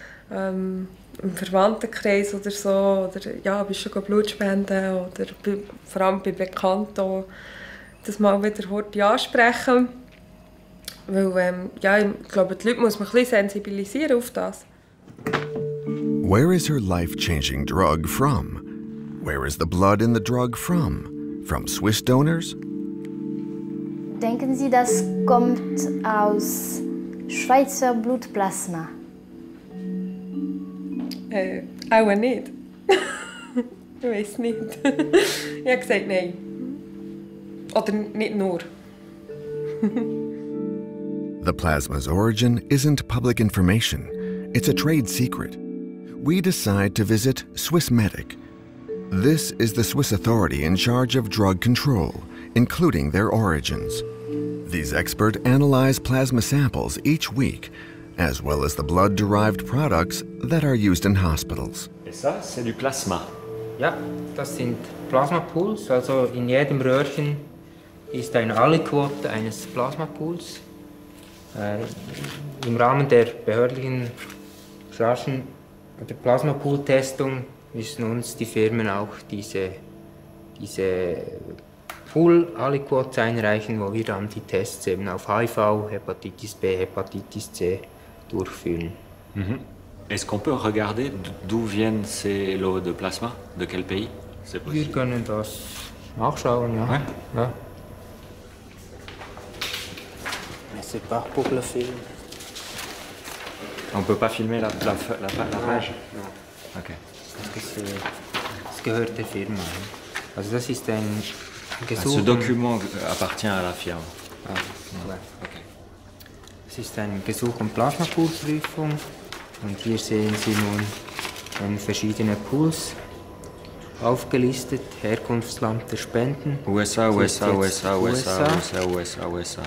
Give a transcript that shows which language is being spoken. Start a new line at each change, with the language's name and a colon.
German: im Verwandtenkreis oder so, oder ja, bist schon Blutspenden oder vor allem bei Bekannten, das mal wieder heute ansprechen. Weil, ja, ich glaube, die Leute muss man ein bisschen sensibilisieren auf das.
English: Where is her life-changing drug from? Where is the blood in the drug from? From Swiss donors?
German: Denken Sie, das kommt aus Schweizer Blutplasma? Auch nicht. Ich weiß nicht. Ich habe gesagt, nein. Oder nicht nur.
English: The plasma's origin isn't public information. It's a trade secret. We decide to visit Swissmedic. This is the Swiss authority in charge of drug control, including their origins. These experts analyze plasma samples each week, as well as the blood-derived products that are used in hospitals.
French: Et ça, c'est du plasma.
German: Ja, das sind Plasmapools. Also in jedem Röhrchen ist ein Aliquot eines Plasmapools. Im Rahmen der behördlichen Chargen der Plasmapool-Testung müssen uns die Firmen auch diese Pool-Aliquots einreichen, wo wir dann die Tests eben auf HIV, Hepatitis B, Hepatitis C durchführen. Mhm.
French: Est-ce qu'on peut regarder d'où viennent ces lots de plasma? De quel pays? C'est possible.
German: Wir können das nachschauen, ja.
French: Ouais.
German: Ja.
French: Mais c'est pas pour le film. On ne peut pas filmer la page? Non. OK.
German: Das gehört der Firma. Also das ist ein
French: Gesuch. Ah, ce document appartient à la firme.
German: Ah, okay. Es ist ein Gesuch um Plasmapoolprüfung. Und hier sehen Sie nun verschiedene Pools aufgelistet. Herkunftsland der Spenden. USA.